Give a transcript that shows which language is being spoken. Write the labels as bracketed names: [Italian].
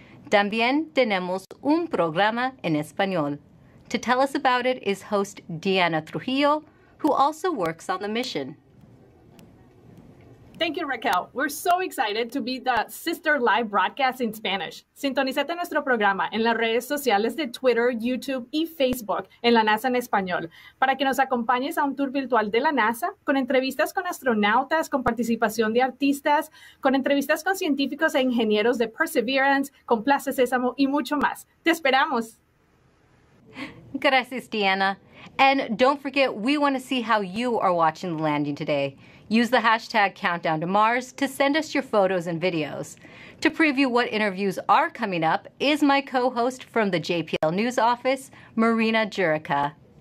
[Spanish] También tenemos un programa en español. [English] To tell us about it is host Diana Trujillo, who also works on the mission. Thank you, Raquel. We're so excited to be the sister live broadcast in Spanish. [Spanish] Sintonízate nuestro programa en las redes sociales de Twitter, YouTube y Facebook en la NASA en Español para que nos acompañes a un tour virtual de la NASA con entrevistas con astronautas, con participación de artistas, con entrevistas con científicos e ingenieros de Perseverance, con Plaza Sésamo y mucho más. ¡Te esperamos! Gracias, Diana. [English] And don't forget, we want to see how you are watching the landing today. Use the hashtag Countdown to Mars to send us your photos and videos. To preview what interviews are coming up is my co-host from the JPL News Office, Marina Jurica.